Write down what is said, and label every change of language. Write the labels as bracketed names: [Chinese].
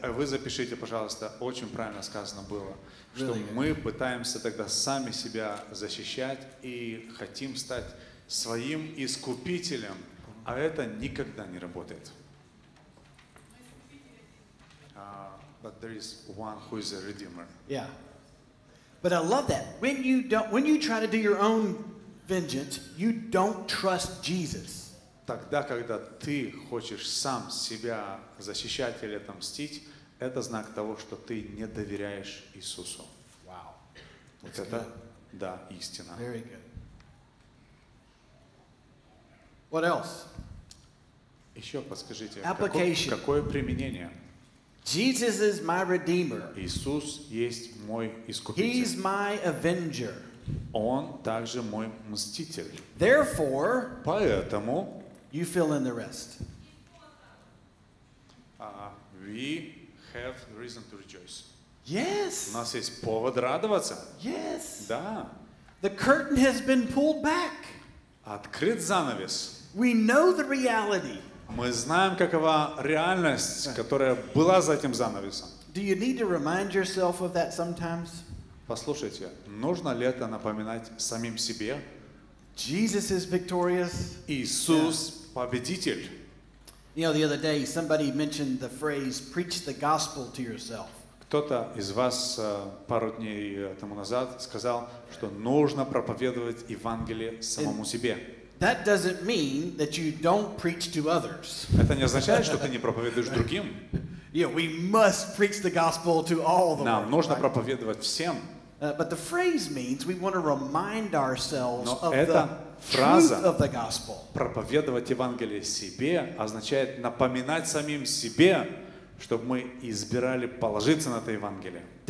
[Russian] Вы запишите, пожалуйста, очень правильно сказано было, [English] really [Russian] что [English] good. [Russian] Мы пытаемся тогда сами себя защищать и хотим стать своим искупителем, а это никогда не работает. [English] But there is one who is a redeemer. Yeah. But I love that. When you try to do your own vengeance, you don't trust Jesus. [Russian] Тогда, когда ты хочешь сам себя защищать или отомстить, это знак того, что ты не доверяешь Иисусу. [English] Wow. [Russian] Вот это, да, истина. [English] Very good. What else? [Russian] Еще подскажите, какое применение? [English] Jesus is my redeemer. [Russian] Иисус есть мой искупитель. [English] He's my avenger. [Russian] Он также мой мститель. [English] Therefore, [Russian] поэтому... [English] You fill in the rest. We have reason to rejoice. Yes. [Russian] У нас есть повод радоваться. [English] Yes. [Russian] Да. [English] The curtain has been pulled back. [Russian] Открыт занавес. [English] We know the reality. [Russian] Мы знаем, какова реальность, которая была за этим занавесом. [English] Do you need to remind yourself of that sometimes? [Russian] Послушайте, нужно ли это напоминать самим себе? [English] Jesus is victorious. [Russian] Иисус победитель. [English] You know, the other day somebody mentioned the phrase "preach the gospel to yourself." [Russian] Кто-то из вас пару дней тому назад сказал, что нужно проповедовать Евангелие самому себе. [English] That doesn't mean that you don't preach to others. [Russian] Это не означает, что ты не проповедуешь другим. [English] Yeah, we must preach the gospel to all the [Russian] Нам нужно проповедовать всем. [English] But the phrase means we want to remind ourselves [Russian] Но [English] of the [Russian] фраза, [English] truth of the gospel. [Russian] Проповедовать Евангелие себе означает напоминать самим себе, чтобы мы избирали положиться на это Евангелие.